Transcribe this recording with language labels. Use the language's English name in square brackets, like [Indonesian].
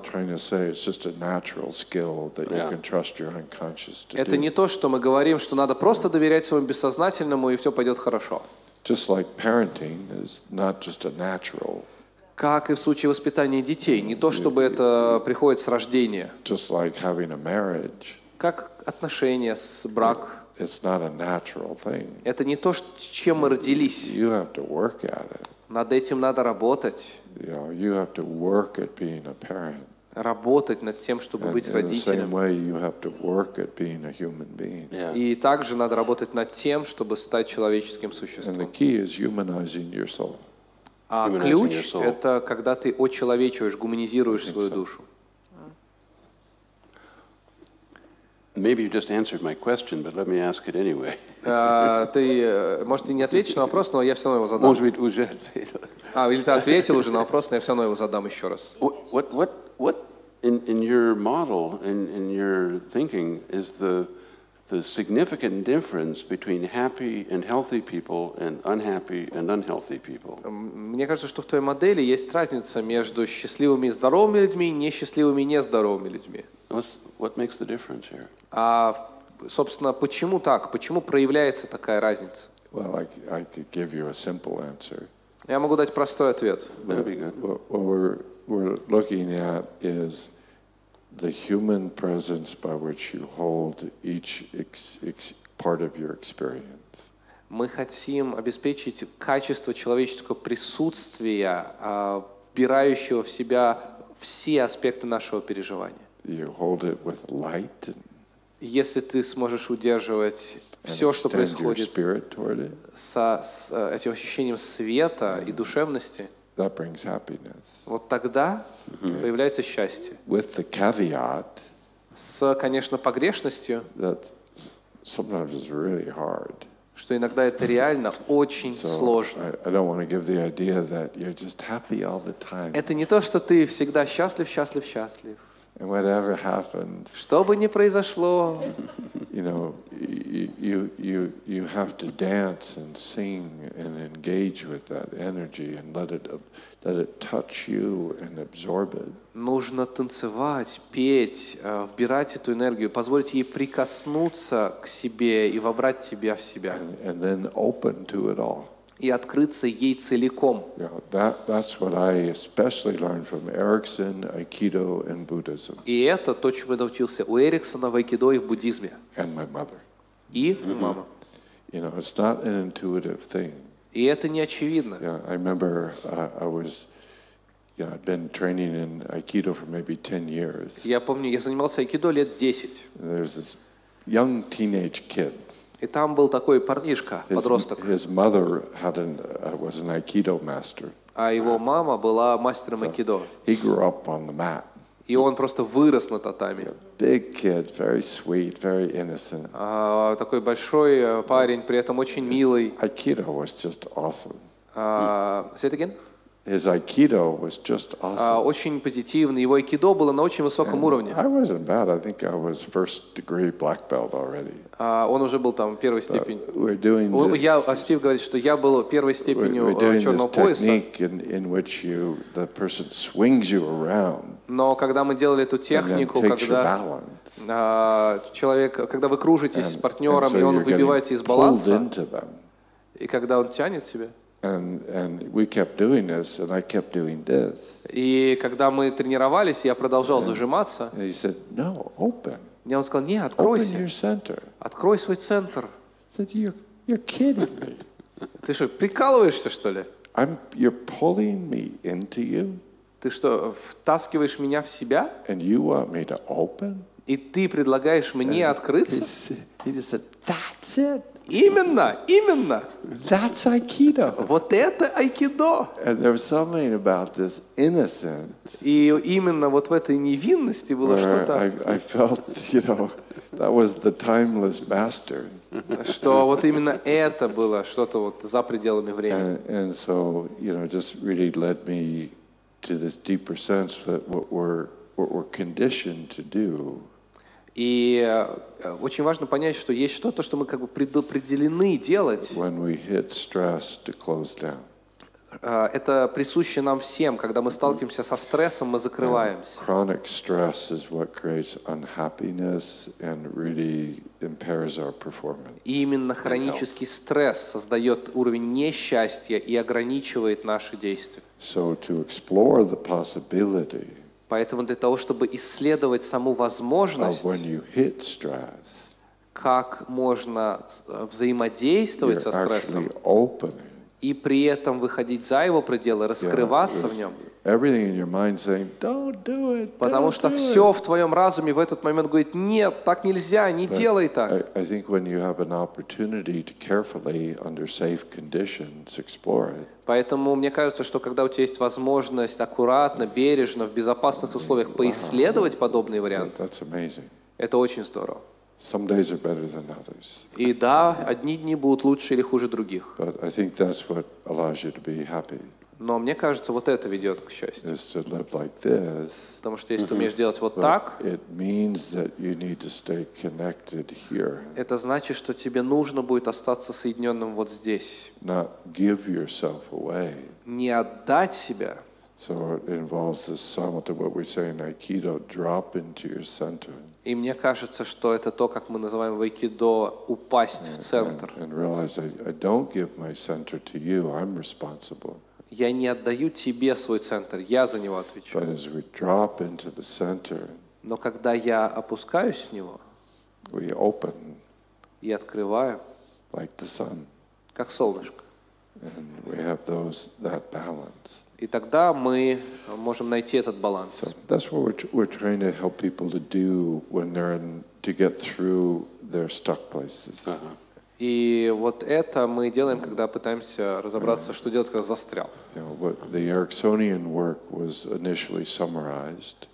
[Russian] Это не то, что мы говорим, что надо просто доверять своему бессознательному, и все пойдет хорошо. [English] Just like parenting is not just a natural. [Russian] Как и в случае воспитания детей, не то чтобы это приходит с рождения. [English] Just like having a marriage, [Russian] как отношения с брак. [English] It's not a natural thing. [Russian] Это не то, с чем мы родились. [English] You have to work at it. [Russian] Над этим надо работать. [English] You know, you have to work at being a parent. [Russian] Работать над тем, чтобы [English] and [Russian] быть родителем. [English] In the same way, you have to work at being a human being. Yeah. [Russian] И также надо работать над тем, чтобы стать человеческим существом. [English] And the key is humanizing your soul. [Russian] А ключ — это когда ты очеловечиваешь, гуманизируешь свою душу. [English] Maybe you just answered my question, but let me ask it anyway. [Russian] Ты, может, ты не ответишь на вопрос, но я все равно его задам. Может быть, уже ответил. А, или ты ответил уже на вопрос, но я все равно его задам еще раз. [English] What in your model, in your thinking, is the significant difference between happy and healthy people and unhappy and unhealthy people? [Russian] Мне кажется, что в твоей модели есть разница между счастливыми и здоровыми людьми и несчастливыми и нездоровыми людьми. [English] What makes the difference here? [Russian] Собственно, почему так? Почему проявляется такая разница? [English] Well, I could give you a simple answer. [Russian] Я могу дать простой ответ. [English] That'd be good. What we're looking at is the human presence by which you hold each part of your experience. [Russian] Мы хотим обеспечить качество человеческого присутствия, вбирающего в себя все аспекты нашего переживания. [English] You hold it with light. [Russian] Если ты сможешь удерживать все, что происходит, с этим ощущением света и душевности, [English] that brings happiness. [Russian] Вот тогда появляется счастье. [English] With the caveat, [Russian] с, конечно, погрешностью, [English] that sometimes is really hard. [Russian] Что иногда это реально очень сложно. [English] I don't want to give the idea that you're just happy all the time. [Russian] Это не то, что ты всегда счастлив, счастлив, счастлив. [English] And whatever happened, [Russian] что бы ни произошло, [English] you know, you have to dance and sing and engage with that energy and let it touch you and absorb it. [Russian] Нужно танцевать, петь, вбирать эту энергию, позволить ей прикоснуться к себе и вобрать тебя в себя. [English] And then open to it all. [Russian] И открыться ей целиком. [English] Yeah, that's what I especially learned from Erickson, Aikido, and Buddhism. [Russian] И это то, чему я научился у Эриксона, в Айкидо и в буддизме. [English] And my mother. [Russian] И у мамы. [English] You know, it's not an intuitive thing. [Russian] И это не очевидно. [English] Yeah, I remember I'd been training in Aikido for maybe 10 years. [Russian] Я помню, я занимался Айкидо лет 10. [English] And there's this young teenage kid. [Russian] И там был такой парнишка, подросток. [English] His mother was an Aikido master. [Russian] А его мама была мастером Aikido. [English] He grew up on the mat. [Russian] И он просто вырос на татами. [English] Big kid, very sweet, very innocent. [Russian] Такой большой парень, при этом очень милый. [English] Aikido was just awesome. Say it again. His Aikido was just awesome. [Russian] Очень позитивный. Его Aikido было на очень высоком уровне. [English] I wasn't bad. I think I was first degree black belt already. [Russian] Он уже был там первой степени. [English] We're doing. [Russian] Стив говорит, что я был первой степенью черного пояса. [English] We're doing this technique in which the person swings you around. [Russian] Но когда мы делали эту технику, когда человек, когда вы кружитесь с партнером и он выбивается из баланса, и когда он тянет тебя. [English] And we kept doing this, and I kept doing this. [Russian] И когда мы тренировались, я продолжал зажиматься. [English] And he said, "No, open." [Russian] Мне он сказал: "Не, откройся." [English] Open your center. [Russian] Открой свой центр. [English] I said, "You're kidding me." [Russian] Ты что, прикалываешься, что ли? [English] You're pulling me into you. [Russian] Ты что, втаскиваешь меня в себя? [English] And you want me to open? [Russian] И ты предлагаешь мне открыться? [English] He just said, "That's it." [Russian] Именно, именно. [English] That's Aikido. [Russian] Вот это Aikido. [English] And there was something about this innocence. [Russian] И именно вот в этой невинности было что-то. [English] I felt, you know, that was the timeless master. [Russian] Что вот именно это было что-то вот за пределами времени. [English] And so, you know, just really led me to this deeper sense that what we're conditioned to do. [Russian] И очень важно понять, что есть что-то, что мы как бы предопределены делать. [English] When we hit stress, to close down. [Russian] Это присуще нам всем. Когда мы сталкиваемся со стрессом, мы закрываемся. [English] And chronic stress is what creates unhappiness and really impairs our performance. [Russian] И именно хронический стресс создает уровень несчастья и ограничивает наши действия. [English] So to explore the possibility. [Russian] Поэтому для того, чтобы исследовать саму возможность, [English] stress, [Russian] как можно взаимодействовать со стрессом [English] opening, [Russian] и при этом выходить за его пределы, раскрываться в нем. [English] Everything in your mind saying, "Don't do it." [Russian] Потому что все в твоем разуме в этот момент говорит: "Нет, так нельзя, не делай так." [English] I think when you have an opportunity to carefully, under safe conditions, explore it. [Russian] Поэтому мне кажется, что когда у тебя есть возможность аккуратно, бережно, в безопасных условиях поисследовать подобные варианты, [English] that's amazing. [Russian] Это очень здорово. [English] Some days are better than others. [Russian] И да, одни дни будут лучше или хуже других. [English] But I think that's what allows you to be happy. [Russian] Но мне кажется, вот это ведет к счастью. [English] Is to live like this. [Russian] Потому что если ты умеешь делать вот так, [English] it means that you need to stay connected here. [Russian] Это значит, что тебе нужно будет остаться соединенным вот здесь. [English] Not give yourself away. [Russian] Не отдать себя. [English] So it involves the summit of what we say in Aikido, drop into your center. [Russian] И мне кажется, что это то, как мы называем в Айкидо, упасть в центр. [English] And realize I don't give my center to you, I'm responsible. [Russian] Я не отдаю тебе свой центр, я за него отвечаю. [English] But as we drop into the center, [Russian] но когда я опускаюсь в него, [English] we open, [Russian] и открываю, [English] like the sun, [Russian] как солнышко. [English] And we have those, that balance. [Russian] И тогда мы можем найти этот баланс. [English] So that's what we're trying to help people to do when they're in, to get through their stuck places. [Russian] И вот это мы делаем, когда пытаемся разобраться, что делать, когда застрял. [English] You know, what the Ericksonian work was initially summarized.